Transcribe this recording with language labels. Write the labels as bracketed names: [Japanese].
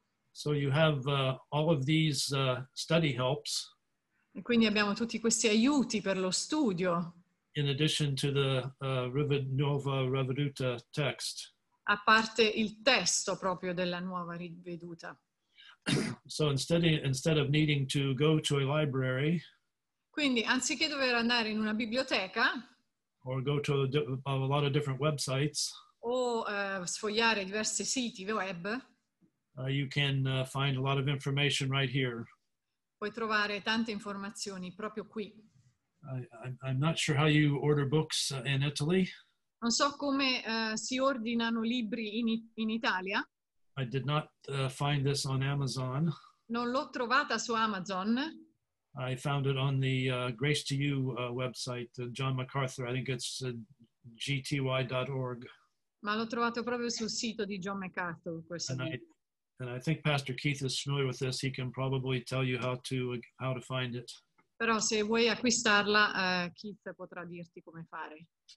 [English] So you have all of these study helps. [Italian] E quindi abbiamo tutti questi aiuti per lo studio. [English] In addition to the Nuova Riveduta text. [Italian] A parte il testo proprio della Nuova Riveduta. [English] So instead of needing to go to a library. [Italian] Quindi anziché dover andare in una biblioteca. [English] Or go to a lot of different websites. [Italian] O sfogliare diversi siti web. [English] You can find a lot of information right here. [Italian] Puoi trovare tante informazioni proprio qui. [English] I'm not sure how you order books in Italy. [Italian] Non so come si ordinano libri in Italia. [English] I did not find this on Amazon. [Italian] Non l'ho trovata su Amazon. [English] I found it on the Grace to You website, John MacArthur. I think it's gty.org. [Italian] Ma l'ho trovato proprio sul sito di John MacArthur questo libro. [English] And I think Pastor Keith is familiar with this. He can probably tell you how to find it. [Italian] Però se vuoi acquistarla, Keith potrà dirti come fare.